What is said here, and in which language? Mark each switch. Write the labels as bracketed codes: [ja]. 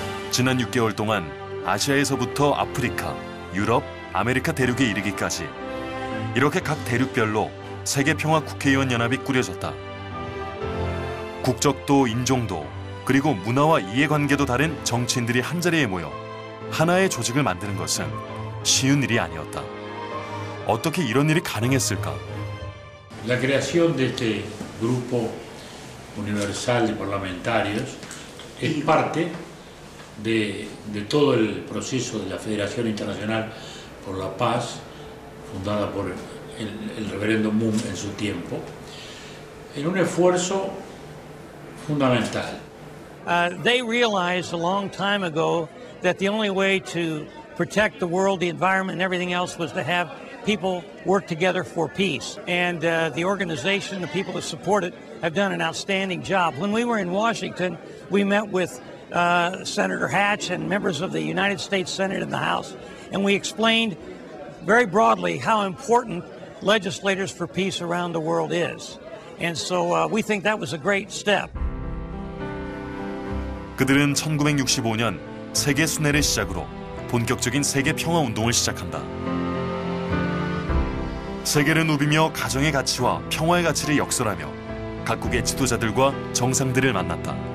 [ko] 지난 6개월 동안 아시아에서부터 아프리카, 유럽, 아메리카 대륙에 이르기까지 이렇게 각 대륙별로 세계평화 국회의원 연합이 꾸려졌다. 국적도 인종도 그리고 문화와 이해관계도 다른 정치인들이 한자리에 모여 하나의 조직을 만드는 것은 쉬운 일이 아니었다. 어떻게 이런 일이 가능했을까? [es] La creación de este grupo universal de parlamentarios es parte de todo el proceso de la Federación Internacional por la Paz fundada por el reverendo Moon en su tiempo en un esfuerzo fundamental. [en] They realized a long time ago that the only way to protect the world, the environment, and everything else was to have people work together for peace. And the organization, the people that support it, have done an outstanding job. When we were in Washington, we met with Senator Hatch and members of the United States Senate and the House, and we explained very broadly how important legislators for peace around the world is. And so we think that was a great step. [ko] 그들은 1965년 세계 순회를 시작으로 본격적인 세계 평화 운동을 시작한다. 세계를 누비며 가정의 가치와 평화의 가치를 역설하며 각국의 지도자들과 정상들을 만났다.